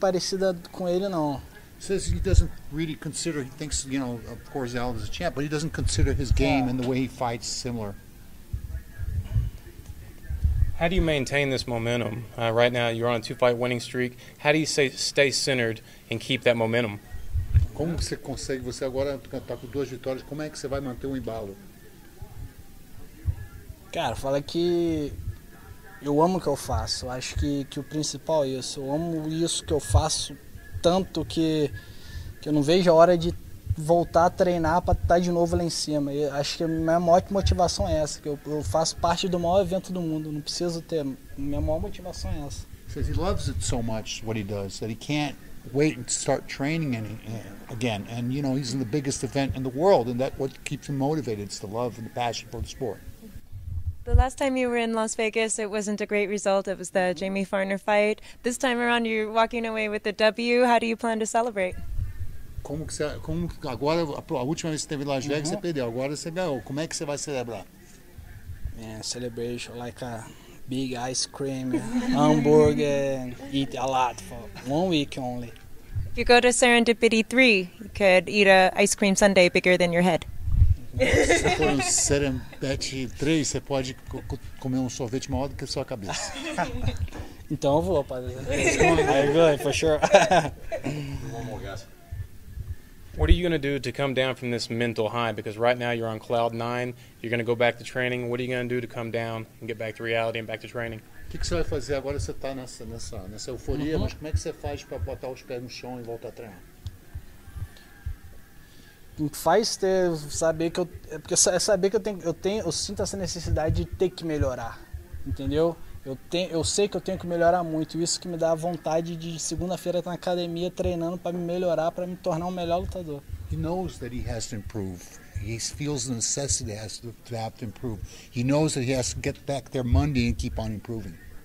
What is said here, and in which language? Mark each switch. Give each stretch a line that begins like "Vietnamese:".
English: he doesn't really consider, he thinks, you know, of course, Alves is a champ, but he doesn't consider his game and the way he fights similar. How do you maintain this momentum? Right now, you're on a 2-fight winning streak. How do you stay centered and keep that momentum?
Portuguese: Como você consegue, você agora está com duas vitórias, como é que você vai manter o embalo? Cara, fala que... Eu amo o que eu faço, acho que o principal é isso. Eu amo isso que eu faço tanto que eu não vejo a hora de voltar a treinar para estar de novo lá em cima. Eu acho que a minha maior motivação é essa, que eu faço parte do maior evento do mundo, não preciso ter. Minha maior motivação é essa. Ele diz que ele ama tanto o que ele faz, que ele não pode esperar para começar a treinar de novo. E, você sabe, ele é o maior evento do mundo, e é o que o motiva, é o amor e a paixão pelo esporte.
English: The last time you were in Las Vegas, it wasn't a great result. It was the Jamie Farner fight. This time around, you're walking away with the W. How do you plan to celebrate?
Portuguese: A última vez que você teve Las Vegas, você perdeu. Agora você ganhou. Como é que você vai celebrar?
English: Man, celebration like a big ice cream, hamburger, and eat a lot for 1 week only. If you go to Serendipity 3, you could eat an ice cream sundae bigger than your head.
Portuguese: Se você for um Serenbete 3, você pode comer um sorvete maior do que a sua cabeça. Então eu vou, rapaz.
English: I'm going, for sure. One more, guys. What are you going to do to come down from this mental high? Because right now you're on cloud nine. You're going to go back to training. What are you going to do to come down and get back to reality and back to training?
Portuguese: O que você vai fazer agora? Você está nessa euforia, uh-huh. mas como é que você faz para botar os pés no chão e voltar a treinar? Faz ter saber que eu porque é saber que eu sinto essa necessidade de ter que melhorar, entendeu? Eu sei que eu tenho que melhorar muito, isso que me dá vontade de segunda-feira estar na academia treinando para me melhorar, para me tornar um melhor lutador.
English: He knows that he has to improve. He feels the necessity to have to improve. He knows that he has to get back there Monday and keep on improving.